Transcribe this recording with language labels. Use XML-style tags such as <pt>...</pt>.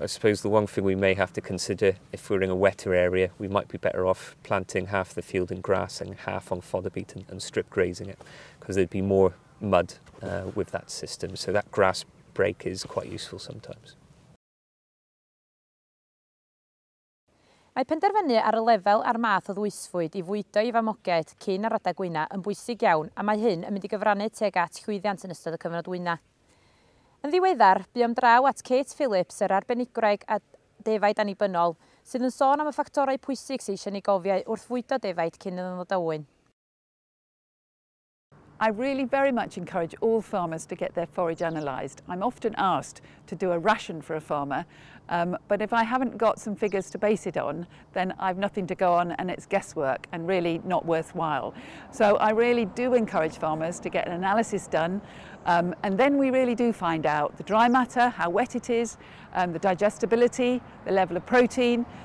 <en>I suppose the one thing we may have to consider, if we're in a wetter area, we might be better off planting half the field in grass and half on fodder beet and strip grazing it, because there'd be more mud with that system. So that grass break is quite useful sometimes.</en> <cy>Mae penderfynu ar y lefel a'r math o ddwysfwyd i fwydo i famogiaid cyn yr adeg wyna yn bwysig iawn, a mae hyn yn mynd i gyfrannu tuag at chwyddiant yn ystod y cyfnod wyna. Yn ddiweddar, buom draw at Kate Phillips, yr arbenigwraig a defaid annibynnol, sydd yn sôn am y ffactorau pwysig sy'n eisiau ei gofio wrth fwydo defaid cyn yn ddod awyn.</cy> <en>I really very much encourage all farmers to get their forage analysed. I'm often asked to do a ration for a farmer, but if I haven't got some figures to base it on, then I've nothing to go on and it's guesswork and really not worthwhile. So I really do encourage farmers to get an analysis done, and then we really do find out the dry matter, how wet it is, the digestibility, the level of protein.</en>